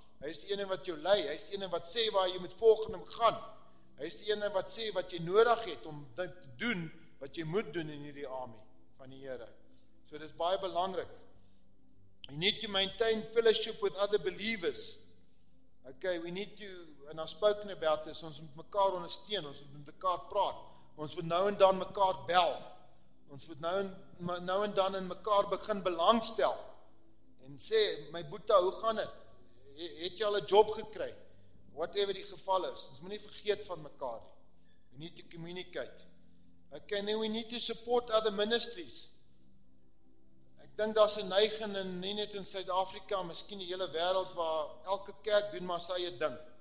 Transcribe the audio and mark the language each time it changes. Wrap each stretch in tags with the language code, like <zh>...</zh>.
<af>Hy is die een wat jou lei, hy is die een wat sê waar jy moet volg en gaan. Hy is die een wat sê wat jy nodig het om dit te doen, wat jy moet doen in hierdie army van die Here. So dit is baie belangrik.</af> <en>You need to maintain fellowship with other believers. Okay, we need to, and I've spoken about this,</en> <af>ons moet mekaar ondersteun, ons moet met mekaar praat. Ons moet nou en dan mekaar bel. Ons moet nou en dan in mekaar begin belangstel. En sê, my boeta, hoe gaan dit? Het jy al 'n job gekry? Whatever die geval is. Ons moet nie vergeet van mekaar.</af> <en>We need to communicate. Okay, then we need to support other ministries.</en> <af>Ek dink daar's 'n neiging in, nie net in Suid-Afrika, miskien die hele wêreld, waar elke kerk doen maar sy eie ding.</af>